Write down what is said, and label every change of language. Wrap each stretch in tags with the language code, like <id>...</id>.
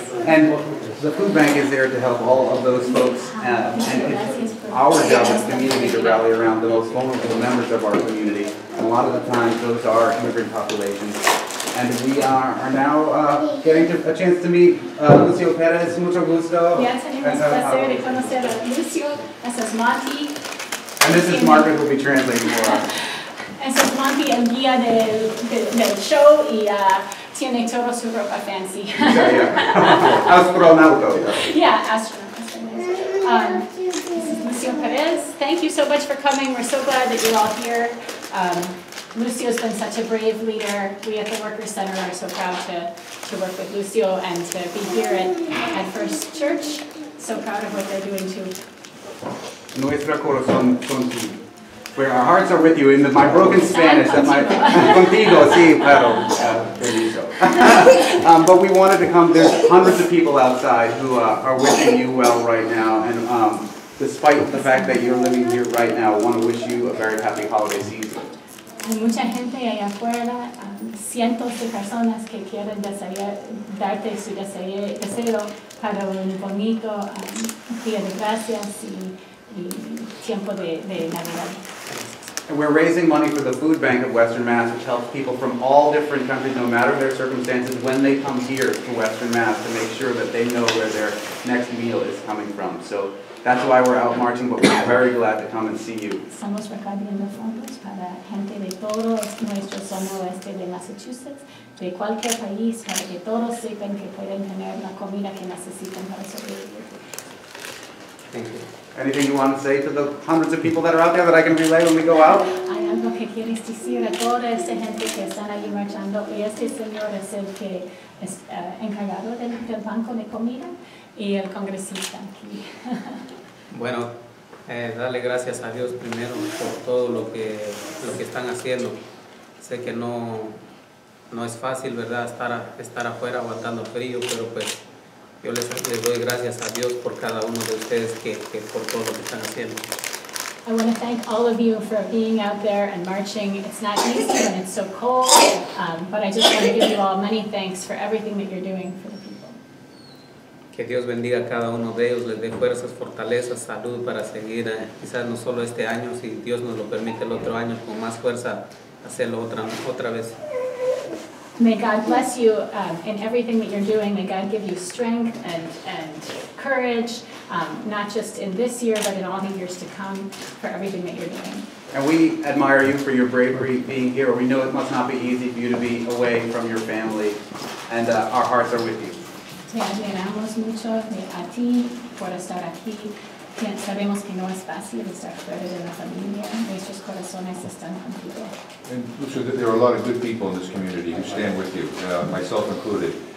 <en>And the food bank is there to help all of those folks, and it's our job as a community to rally around the most vulnerable members of our community, and a lot of the times those are immigrant populations. And we are now getting a chance to meet Lucio Perez.</en> <es>Mucho gusto.</es> <en>Yes, and it's a pleasure to conocer Lucio. This is Monte. And this is Margaret, who will be translating for us.</en> <es>Es el Monte, el guía del show, y tiene todo su ropa fancy.</es> <en>Yeah, yeah. Astronauta. Yeah, astronaut. This is Lucio Perez. Thank you so much for coming. We're so glad that you're all here. Lucio's been such a brave leader. We at the Workers' Center are so proud to work with Lucio and to be here at First Church. So proud of what they're doing, too.</en> <es>Nuestro corazón contigo.</es> <en>Where our hearts are with you, in my broken Spanish, and</en> <es>my contigo, sí, pero, permiso.</es> <en>But we wanted to come, there's hundreds of people outside who are wishing you well right now, and despite the fact that you're living here right now, I want to wish you a very happy holiday season.</en> <es>Hay mucha gente allá afuera, cientos de personas que quieren darte su deseo para un bonito día de gracias y tiempo de Navidad.</es> <en>And we're raising money for the Food Bank of Western Mass, which helps people from all different countries, no matter their circumstances, when they come here to Western Mass, to make sure that they know where their next meal is coming from. So that's why we're out marching, but we're very glad to come and see you.</en> <es>Estamos recogiendo fondos para gente de todo nuestro zona oeste de Massachusetts, de cualquier país, para que todos sepan que pueden tener la comida que necesitan para sobrevivir.</es> <en>Thank you. Anything you want to say to the hundreds of people that are out there that I can relay when we go out?</en> <es>Hay algo que quieres decir a toda esta gente que están allí marchando. Y este señor es el que es encargado del banco de comida y el congresista aquí. Bueno, darle gracias a Dios primero por todo lo que están haciendo. Sé que No es fácil, verdad, estar afuera aguantando frío, pero pues yo les doy gracias a Dios por cada uno de ustedes que por todo lo que están haciendo.</es> <en>I want to thank all of you for being out there and marching. It's not easy and it's so cold, but I just want to give you all many thanks for everything that you're doing for the people.</en> <es>Que Dios bendiga a cada uno de ellos, les dé fuerzas, fortaleza, salud para seguir, quizás no solo este año, si Dios nos lo permite el otro año, con más fuerza hacerlo otra vez.</es> <en>May God bless you in everything that you're doing. May God give you strength and courage, not just in this year, but in all the years to come, for everything that you're doing. And we admire you for your bravery being here. We know it must not be easy for you to be away from your family, and our hearts are with you.</en> <es>Te admiramos mucho a ti por estar aquí. Sabemos que no es fácil estar fuera de la familia. Nuestros corazones están contigo.</es> <en>And Lucio, there are a lot of good people in this community who stand with you, myself included.</en>